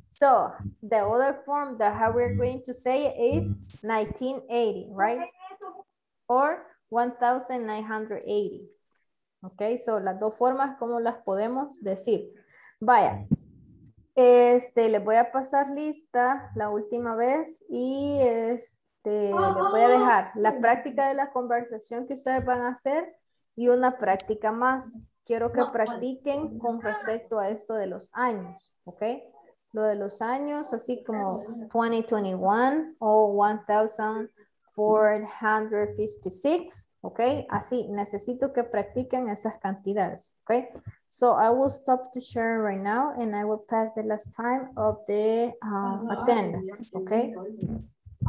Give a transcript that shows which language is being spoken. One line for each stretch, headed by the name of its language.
English: So, the other form that how we're going to say it is 1980, right? Or 1,980.
Spanish: Okay, so las dos formas, ¿cómo las podemos decir? Vaya, les voy a pasar lista la última vez y les voy a dejar la práctica de la conversación que ustedes van a hacer y una práctica más. Quiero que practiquen con respecto a esto de los años, okay? Lo de los años, así como 2021 o 1,456, ok? Así, necesito que practiquen esas cantidades, ok?
English: So, I will stop to share right now and I will pass the last time of the attendance, ok?